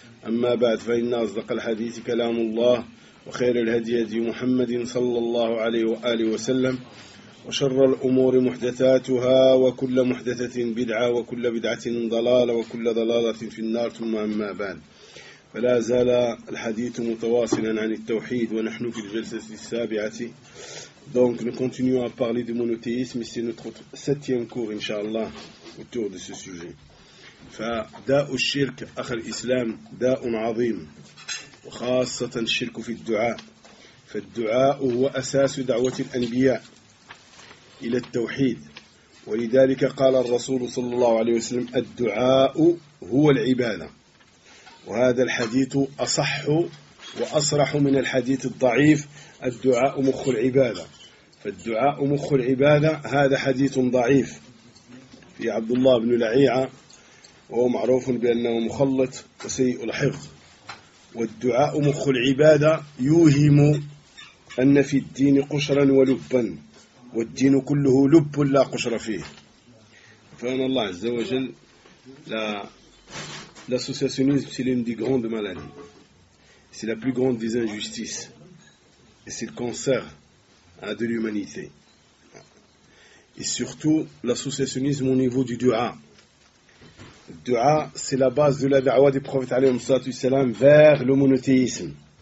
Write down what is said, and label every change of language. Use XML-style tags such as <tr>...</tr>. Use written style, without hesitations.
<ar>أما بعد، فإن أصدق الحديث كلام الله، وخير الهدي هدي محمد صلى الله عليه وآله وسلم، وشر الأمور محدثاتها، وكل محدثة بدعة، وكل بدعة ضلالة، وكل ضلالة في النار. ثم أما بعد، فلا زال الحديث متواصلا عن التوحيد، ونحن في الجلسة السابعة.</ar> <fr>Donc nous continuons à parler du monothéisme, et c'est notre septième cours inshallah autour de ce sujet.</fr> <ar>فداء الشرك أخ الإسلام داء عظيم، وخاصة الشرك في الدعاء. فالدعاء هو أساس دعوة الأنبياء إلى التوحيد، ولذلك قال الرسول صلى الله عليه وسلم: الدعاء هو العبادة. وهذا الحديث أصح وأصرح من الحديث الضعيف: الدعاء مخ العبادة. فالدعاء مخ العبادة، هذا حديث ضعيف في عبد الله بن لعيعة، وهو معروف بأنه مخلط وسيء الحفظ. والدعاء مخ العبادة يوهم أن في الدين قشرا ولبا، والدين كله لب لا قشر فيه. فإن الله عز وجل لا</ar> <fr>l'associationnisme, c'est l'une des grandes maladies. C'est la plus grande des injustices. Et c'est le cancer de l'humanité. Et surtout, l'associationnisme au niveau du dua. Le dua, c'est la base de la da'wah des prophètes vers le monothéisme.</fr>